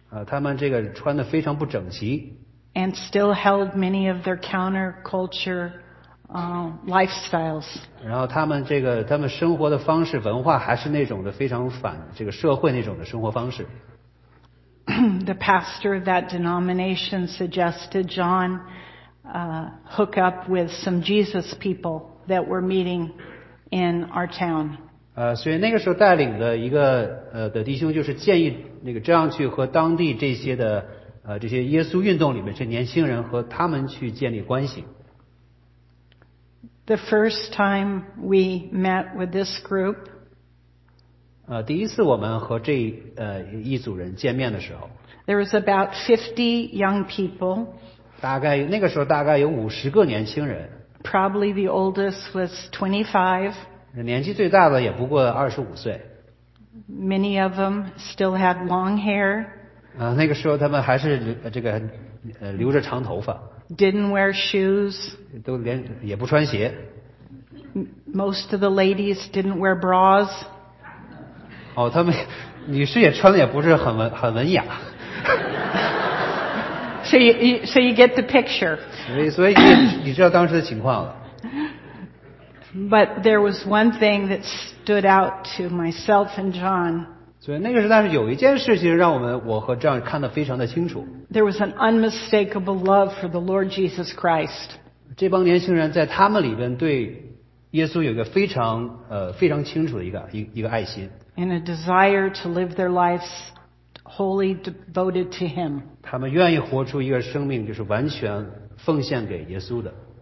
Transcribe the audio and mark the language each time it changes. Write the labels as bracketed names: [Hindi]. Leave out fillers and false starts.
[Chinese] 他们这个穿得非常不整齐。 [English] And still held many of their counterculture lifestyles. [Chinese] 然后他们这个他们生活的方式文化还是那种的非常反这个社会那种的生活方式。 [English] The pastor of that denomination suggested John hook up with some Jesus people that were meeting in our town. [Chinese] 所以那个时候带领的一个的弟兄就是建议那个这样去和当地这些的。这些耶稣运动里面这年轻人和他们去建立关系。 [English] The first time we met with this group, [Chinese] 第一次我们和这一组人见面的时候 [English] ，there was about 50 young people. [Chinese] 大概那个时候大概有50个年轻人。 [English] Probably the oldest was 25. [Chinese] 年纪最大的也不过25岁。 [English] Many of them still had long hair. [Chinese] 那个时候他们还是这个留着长头发 [English] ，didn't wear shoes， [Chinese] 都连也不穿鞋。 [English] Most of the ladies didn't wear bras。 [Chinese] 哦，他们女士也穿的也不是很文雅。 [English] So you get the picture。 [Chinese] 所以你知道当时的情况了。 [English] But there was one thing that stood out to myself and John。 [Chinese] 对，那个时候，但是有一件事情让我和这样看得非常的清楚。 [English] There was an unmistakable love for the Lord Jesus Christ. [Chinese] 这帮年轻人在他们里边对耶稣有一个非常非常清楚的一个爱心。 [English] And a desire to live their lives wholly devoted to Him. [Chinese] 他们愿意活出一个生命，就是完全奉献给耶稣的。